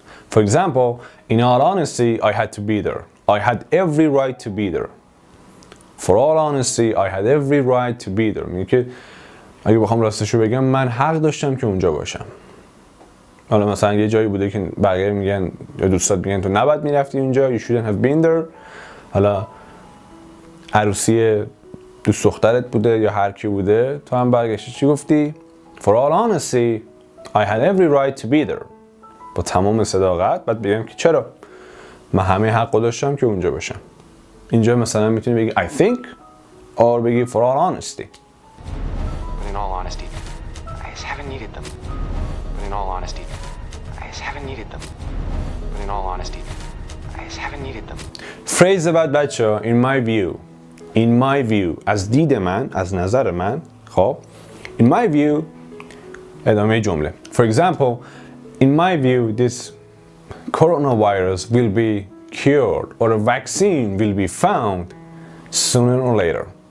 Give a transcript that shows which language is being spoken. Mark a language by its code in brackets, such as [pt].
[en] For example, in all honesty I had to be there. I had every right to be there. For all honesty I had every right to be there. [fa] یعنی که اگه بخوام راستشو بگم، من حق داشتم که اونجا باشم. حالا مثلا یه جایی بوده که بقیه میگن یا دوستات میگن تو نباید میرفتی اونجا، [en] you shouldn't have been there. [fa] حالا عروسی دوست دخترت بوده یا هر کی بوده، تو هم برگشتی چی گفتی؟ [en] For all honesty I had every right to be there. [fa] با تمام صداقت باید بگم که چرا، من همه حق داشتم که اونجا باشم. اینجا مثلا میتونی بگی [en] I think or [fa] بگی [en] for all honesty. In all honesty I just haven't needed them. In all honesty, I just haven't needed them. But in all honesty, I just haven't needed them. Phrase about [fa] بچه، [en] In my view, [fa] از دید من، از نظر من، خب. [en] In my view, [fa] ادامه جمله. [en] For example, in my view, this coronavirus will be cured or a vaccine will be found sooner or later.